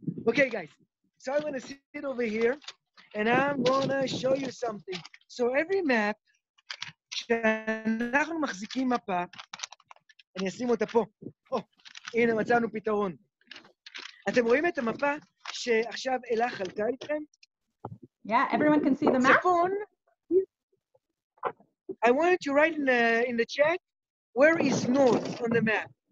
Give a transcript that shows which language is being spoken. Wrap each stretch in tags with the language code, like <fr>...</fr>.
<en>Okay, guys, so I'm going to sit over here and I'm going to show you something. So every map,</en> <he>כשאנחנו מחזיקים מפה, אני אשים אותה פה. הנה, מצאנו פתרון. אתם רואים את המפה שעכשיו אלה חלקה איתכם?</he> <en>Yeah, everyone can see the map.</en> <he>צפון,</he> <en>I wanted to write in the chat, where is north on the map?</en>